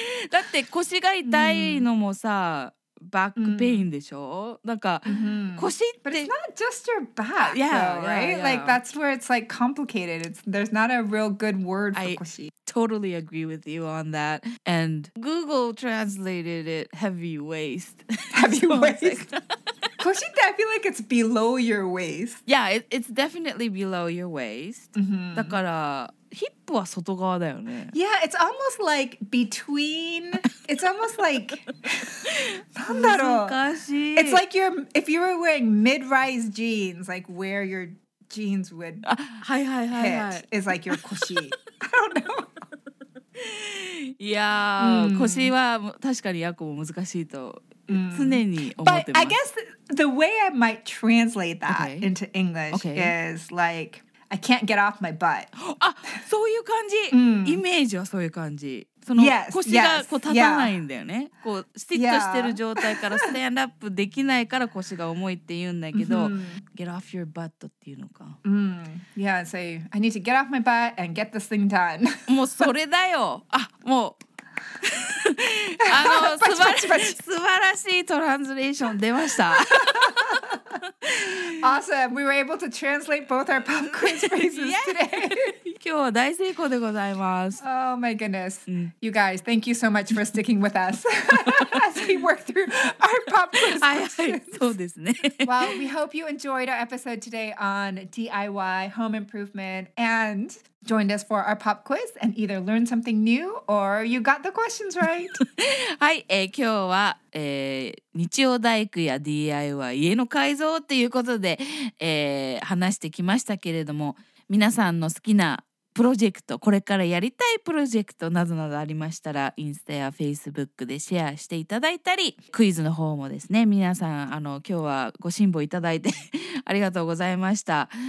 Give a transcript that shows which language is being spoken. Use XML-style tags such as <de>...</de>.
<ja>だって腰が痛いのもさ、mm. Back pain でしょ、mm-hmm. なんか、mm-hmm. 腰って</ja> <en>But it's not just your back yeah, though, right? Yeah, yeah. Like that's where it's like complicated. There's not a real good word for 腰 I totally agree with you on that. And Google translated it heavy waist. Heavy so waist? 腰って I feel like it's below your waist. Yeah, it's definitely below your waist.、 Mm-hmm.</en> <ja>だからhip は外側だよね。</ja> <en>Yeah, it's almost like between. It's almost like.</en> <ja>なんだろう。難しい。</ja> <en>It's like you're, if you were wearing mid-rise jeans, like where your jeans would hit, はいはいはい、はい、 is like your 腰。I don't know.</en> <ja>いやー、うん、腰は確かにヤコも難しいと常に思ってます。</ja> <en>I guess the way I might translate that、okay. into English、okay. is like I can't get off my butt.</en> <ja>あ、そういう感じ、うん、イメージはそういう感じ。その腰がこう立たないんだよね、</ja> <en>yes.</en> <ja>こうスティックしてる状態からスタンドアップできないから腰が重いって言うんだけど、mm-hmm. Get off your butt っていうのか、</ja> <en>Yeah, so I need to get off my butt and get this thing done.</en> <ja>もうそれだよ。あ、もうあの素晴らしいトランスレーション出ました。</ja> <en>Awesome! We were able to translate both our pop quiz phrases today.</en> <ja>今日は大成功でございます。</ja> <en>Oh my goodness. You guys, thank you so much for sticking with us as we work through our pop quiz questions.</en> <ja>そうですね。</ja> <en>Well, we hope you enjoyed our episode today on DIY, home improvement, and... joined us for our pop quiz and either learned something new or you got the questions right.</en> <ja>はい、今日は、日曜大工や DIY 家の改造っていうことで、話してきましたけれども、皆さんの好きなプロジェクト、これからやりたいプロジェクトなどなどありましたら、インスタやフェイスブックでシェアしていただいたり、クイズの方もですね、皆さん、あの、今日はご辛抱いただいてありがとうございました。</ja>